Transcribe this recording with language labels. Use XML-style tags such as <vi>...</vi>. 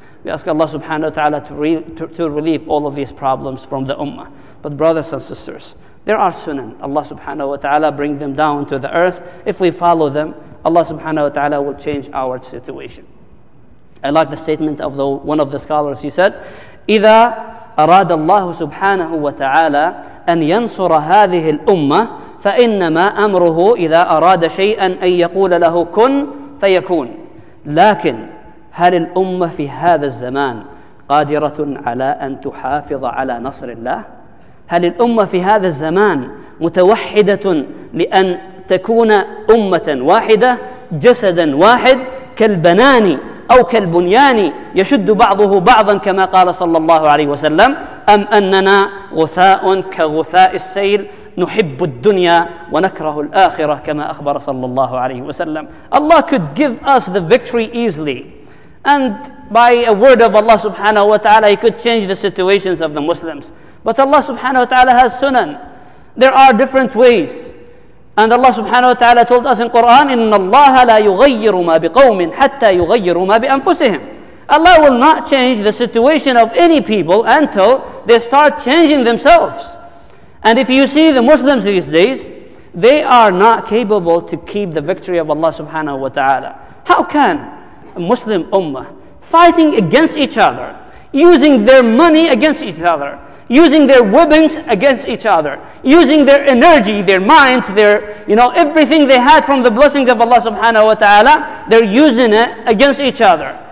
<en>We ask Allah subhanahu wa ta'ala to relieve all of these problems from the ummah. But brothers and sisters, there are sunan. Allah subhanahu wa ta'ala bring them down to the earth. If we follow them, Allah subhanahu wa ta'ala will change our situation. I like the statement of one of the scholars. He said,</en> <ar>إذا أراد الله سبحانه وتعالى أن ينصر هذه الأمة فإنما أمره إذا أراد شيئا أن يقول له كن فيكون. لكن هل الأمة في هذا الزمان قادرة على أن تحافظ على نصر الله؟ هل الأمة في هذا الزمان متوحدة لأن تكون أمة واحدة جسدا واحد كالبناني أو كالبنيان يشد بعضه بعضا كما قال صلى الله عليه وسلم أم أننا غثاء كغثاء السيل نحب الدنيا ونكره الآخرة كما أخبر صلى الله عليه وسلم.</ar> <en>Allah could give us the victory easily, and by a word of Allah subhanahu wa ta'ala He could change the situations of the Muslims. But Allah subhanahu wa ta'ala has sunan. There are different ways. And Allah subhanahu wa ta'ala told us in Quran,</en> <ar>إِنَّ اللَّهَ لَا يُغَيِّرُ مَا بِقَوْمٍ حَتَّى يُغَيِّرُ مَا بِأَنفُسِهِمْ.</ar> <en>Allah will not change the situation of any people until they start changing themselves. And if you see the Muslims these days, they are not capable to keep the victory of Allah subhanahu wa ta'ala. How can a Muslim ummah fighting against each other, using their money against each other, using their weapons against each other, using their energy, their minds, their, you know, everything they had from the blessings of Allah subhanahu wa ta'ala, they're using it against each other.</en>